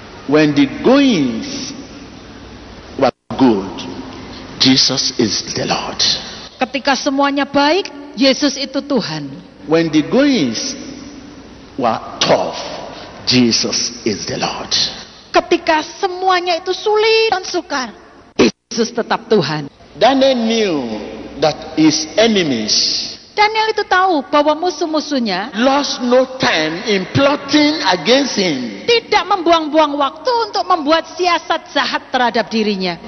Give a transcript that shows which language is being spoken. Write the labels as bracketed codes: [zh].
[en] When the goings were good, Jesus is the Lord. [id] Ketika semuanya baik, Yesus itu Tuhan. [en] When the goings were tough, Jesus is the Lord. [id] Ketika semuanya itu sulit dan sukar, Yesus tetap Tuhan. [en] Daniel knew that his enemies. [id] Daniel itu tahu bahwa musuh-musuhnya [en] lost no time in plotting against him. [id] Tidak membuang-buang waktu untuk membuat siasat jahat terhadap dirinya.